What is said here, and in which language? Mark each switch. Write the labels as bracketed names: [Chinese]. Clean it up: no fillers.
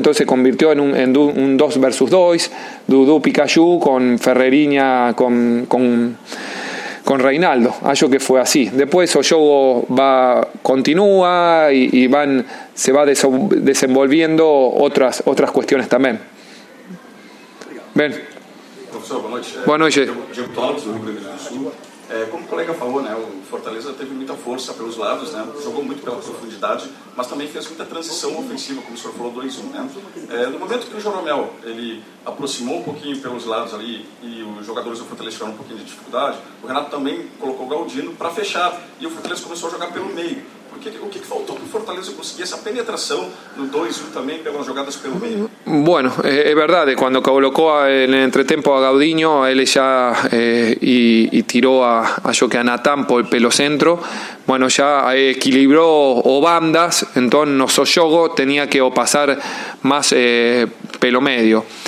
[Spanish] Entonces se convirtió en un 2-2, Dudu Pikachu con Ferreriña con Reinaldo, creo que fue así. Después el juego continúa y se va desenvolviendo otras cuestiones también. Bien. Profesor, buenas noches. Buenas noches. [Portuguese] Diego Torres, do Rio Grande do Sul. Como o colega falou, né, o Fortaleza teve muita força pelos lados, né, jogou muito pela profundidade, mas também fez muita transição ofensiva, como o senhor falou, 2-1. Né? No momento que o Jeromel ele aproximou um pouquinho pelos lados ali e os jogadores do Fortaleza tiveram um pouquinho de dificuldade, o Renato também colocou o Galdino para fechar e o Fortaleza começou a jogar pelo meio. [Spanish] ¿Qué faltó para Fortaleza conseguir esa penetración en el 2-1 también, pegando jugadas [Portuguese] pelo meio? [Spanish] Bueno, es verdad, cuando colocó en el entretempo a Gaudinho, él ya y tiró a Natán por el pelo centro, bueno, ya equilibró o bandas, entonces nuestro juego tenía que o pasar más pelo medio.